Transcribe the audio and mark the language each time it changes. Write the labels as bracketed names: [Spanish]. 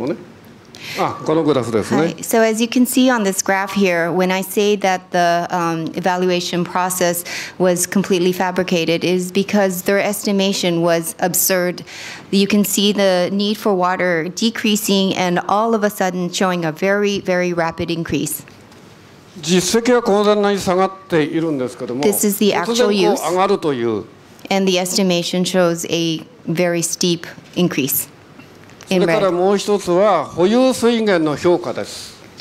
[Japanese] ずっと今まで下がっていたのに突然グーッとさっきのグラフでありましたけどもね。あ、このグラフですね。はい。 [English] So as you can see on this graph here, when I say that the evaluation process was completely fabricated, is because their estimation was absurd. You can see the need for water decreasing and all of a sudden showing a very, very rapid increase. [Japanese] 実績はこんなに下がっているんですけども。 [English] This is the actual use. [Japanese] 突然こう上がるという。 [English] And the estimation shows a very steep increase in red. [Japanese] それからもう一つは保有宣言の評価です。